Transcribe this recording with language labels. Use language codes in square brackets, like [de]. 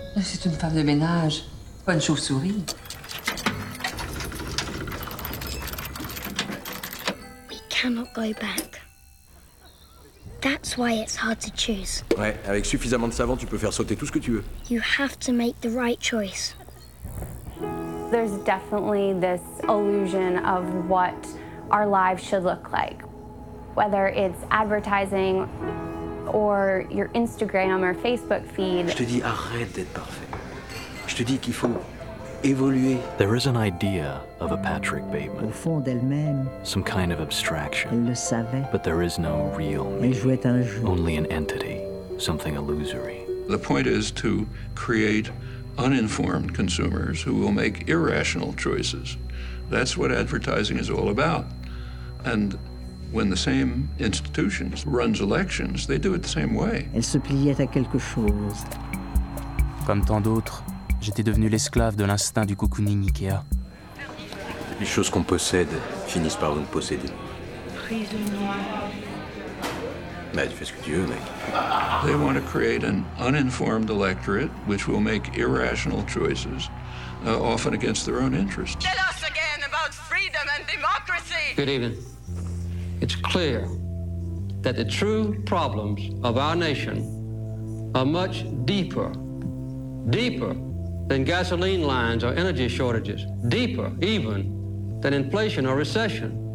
[fr] C'est une femme de ménage. Pas une chauve-souris. [en] Cannot go back. That's why it's hard to choose. [fr] Ouais, avec suffisamment de savon, tu peux faire sauter tout ce que tu veux. [en] You have to make the right choice. There's definitely this illusion of what our lives should look like. Whether it's advertising or your Instagram or Facebook feed. [fr] Je te dis arrête d'être parfait. Je te dis qu'il faut évoluer. [en] There is an idea of a Patrick Bateman. [fr] Au fond d'elle-même, [en] some kind of abstraction. [fr] Elle le savait. [en] But there is no real me. [fr] Elle jouait un jeu. [en] Only an entity, something illusory. The point is to create uninformed consumers who will make irrational choices. That's what advertising is all about. And when the same institutions runs elections, they do it the same way. [fr] Elle se pliait à quelque chose. Comme tant d'autres, j'étais devenu l'esclave de l'instinct du cocooning Ikea. Les choses qu'on possède finissent par nous posséder. Prise noire. Tu fais ce que tu veux, mec. [en] They want to create an uninformed electorate which will make irrational choices, often against their own interests. Tell us again about freedom and democracy. Good evening. It's clear that the true problems of our nation are much deeper, deeper than gasoline lines or energy shortages, deeper even than inflation or recession.